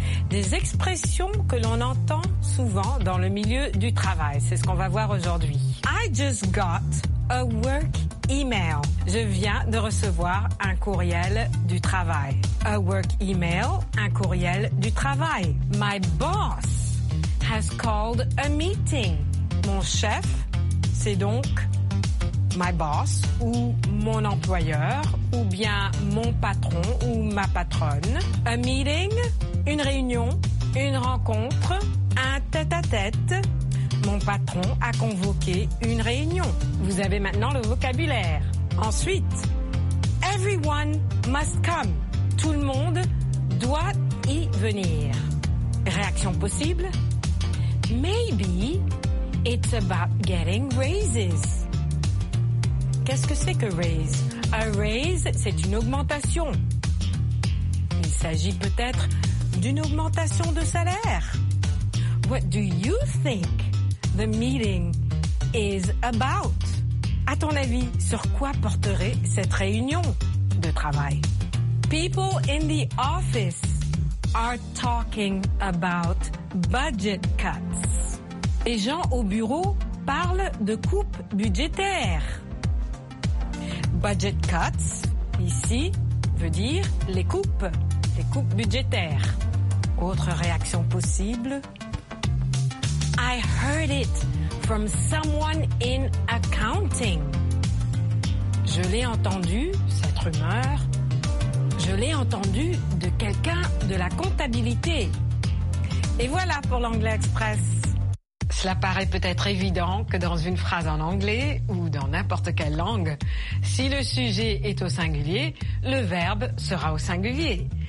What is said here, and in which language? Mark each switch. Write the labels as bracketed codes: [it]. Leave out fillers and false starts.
[fr] Des expressions que l'on entend souvent dans le milieu du travail. C'est ce qu'on va voir aujourd'hui. [en] I just got a work email. [fr] Je viens de recevoir un courriel du travail. [en] A work email, [fr] un courriel du travail. [en] My boss has called a meeting. [fr] Mon chef, c'est donc [en] my boss [fr] ou mon employeur ou bien mon patron ou ma patronne. [en] A meeting, [fr] une réunion, une rencontre, un tête-à-tête. Mon patron a convoqué une réunion. Vous avez maintenant le vocabulaire. Ensuite, [en] everyone must come. [fr] Tout le monde doit y venir. Réaction possible? [en] Maybe it's about getting raises. [fr] Qu'est-ce que c'est que raise? [en] A raise, [fr] c'est une augmentation. Il s'agit peut-être d'une augmentation de salaire. [en] What do you think the meeting is about? [fr] À ton avis, sur quoi porterait cette réunion de travail? [en] People in the office are talking about budget cuts. [fr] Les gens au bureau parlent de coupes budgétaires. [en] Budget cuts, [fr] ici, veut dire les coupes budgétaires. Autre réaction possible. [en] I heard it from someone in accounting. [fr] Je l'ai entendu, cette rumeur, je l'ai entendu de quelqu'un de la comptabilité. Et voilà pour l'Anglais Express. Cela paraît peut-être évident que dans une phrase en anglais ou dans n'importe quelle langue, si le sujet est au singulier, le verbe sera au singulier.